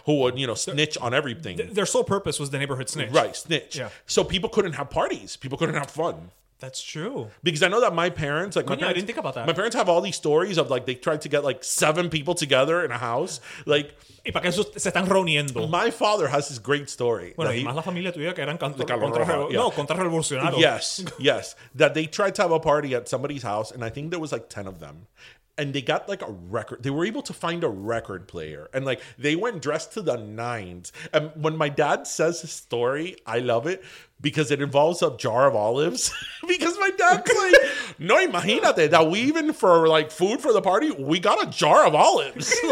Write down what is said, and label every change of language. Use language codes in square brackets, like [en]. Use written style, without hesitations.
[en] Who would, you know, snitch on everything. Their sole purpose was the neighborhood snitch. Right, snitch. Yeah. So people couldn't have parties. People couldn't have fun. That's true. Because I know that my parents, like, I didn't think about that. My parents have all these stories of, like, they tried to get, like, seven people together in a house. Like, [es] y para que esos se están reuniendo. [en] My father has this great story. [es] Bueno, y más la familia tuya que eran contrarrevolucionarios. [en] Yes, yes. That they tried to have a party at somebody's house, and I think there was, like, 10 of them. And they got, like, a record. They were able to find a record player. And, like, they went dressed to the nines. And when my dad says his story, I love it. Because it involves a jar of olives. Because my dad's like, no, [es] imagínate [en] that we even, for, like, food for the party, we got a jar of olives.